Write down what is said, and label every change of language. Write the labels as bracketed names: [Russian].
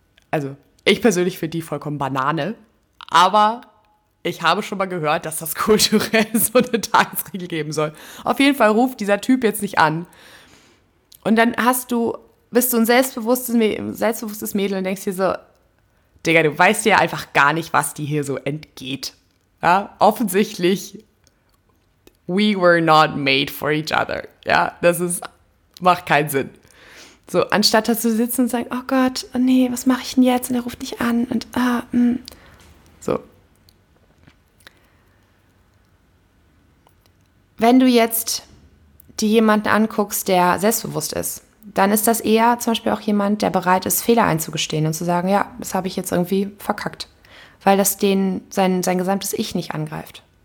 [German] Also ich persönlich finde die vollkommen Banane, aber ich habe schon mal gehört, dass das kulturell so eine Tagesregel geben soll. Auf jeden Fall ruft dieser Typ jetzt nicht an. Und dann bist du ein selbstbewusstes Mädel und denkst dir so, Digga, du weißt ja einfach gar nicht, was dir hier so entgeht. Ja, offensichtlich, [English] we were not made for each other. [German] Ja, das macht keinen Sinn. So, anstatt dass du sitzt und sagst, oh Gott, oh nee, was mache ich denn jetzt? Und er ruft nicht an. Und so. Wenn du jetzt dir jemanden anguckst, der selbstbewusst ist, dann ist das eher zum Beispiel auch jemand, der bereit ist, Fehler einzugestehen und zu sagen, ja, das habe ich jetzt irgendwie verkackt, weil das sein gesamtes Ich nicht angreift.